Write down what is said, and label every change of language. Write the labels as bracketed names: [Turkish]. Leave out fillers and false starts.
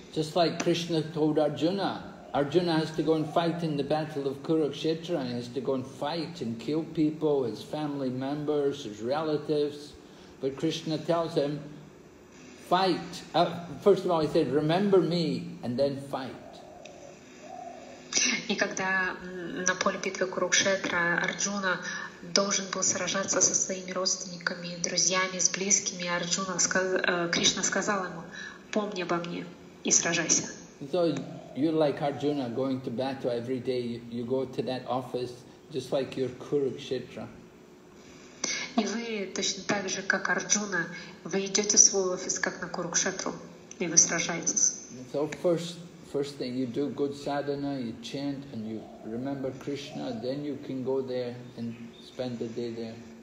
[English] Just like Krishna told Arjuna, Arjuna has to go and fight in the battle of Kurukshetra, he has to go and fight and kill people, his family members, his relatives. But Krishna tells him, fight. First of all, he said, remember me, and then fight. [Russian] И когда на поле битвы Курукшетра Арджуна должен был сражаться со своими родственниками, друзьями, с близкими, Кришна сказал ему, помни обо мне и сражайся. [English] So you're like Arjuna going to battle every day, you go to that office just like your Kurukshetra. [Russian] И вы точно так же, как Арджуна, вы идете в свой офис, как на Курукшетру, и вы сражаетесь. [English] So First thing you do good sadhana, you chant and you remember Krishna, then you can go there and spend the day there.